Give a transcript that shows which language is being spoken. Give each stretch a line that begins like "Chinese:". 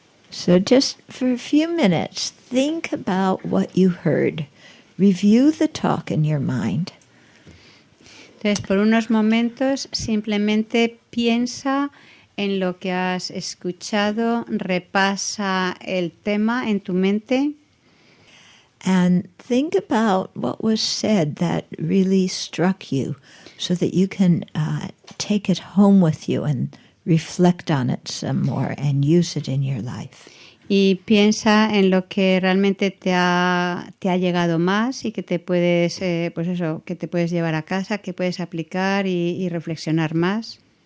English: So just for a few minutes, think about what you heard. Review the talk in your mind.
Spanish: Entonces, por unos momentos, simplemente piensa en lo que has escuchado, repasa el tema en tu mente.
English: And think about what was said that really struck you so that you can take it home with you and reflect on it some more and use it in your life.
Spanish: Y piensa en lo que realmente te ha llegado más y que te puedes pues eso, que te puedes llevar a casa, que puedes aplicar y reflexionar más.